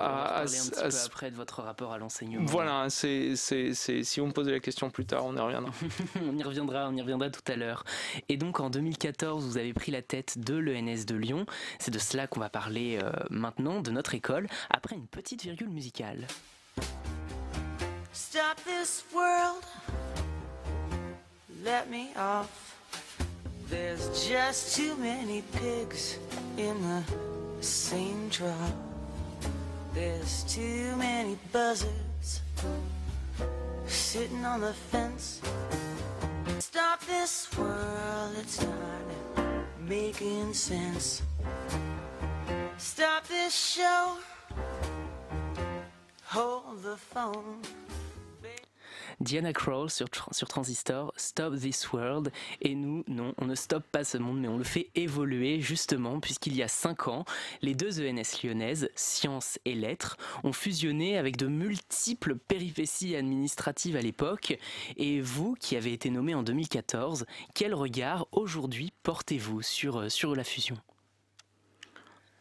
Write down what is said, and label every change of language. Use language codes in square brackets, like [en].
[fr] On va parler un petit peu après de votre rapport à l'enseignement. Voilà, c'est si vous me posez la question plus tard, on y reviendra. on y reviendra tout à l'heure. Et donc en 2014, vous avez pris la tête de l'ENS de Lyon. C'est de cela qu'on va parler maintenant, de notre école, après une petite virgule musicale. [en] Stop this world, let me off. There's just too many pigs in the same drop. There's too many buzzards sitting on the fence. Stop this world, it's not making sense. Stop this show, hold the phone. [fr] Diana Krall sur Transistor, Stop This World. Et nous, non, on ne stoppe pas ce monde, mais on le fait évoluer, justement, puisqu'il y a 5 ans, les deux ENS lyonnaises, Sciences et Lettres, ont fusionné avec de multiples péripéties administratives à l'époque. Et vous, qui avez été nommé en 2014, quel regard, aujourd'hui, portez-vous sur la fusion ?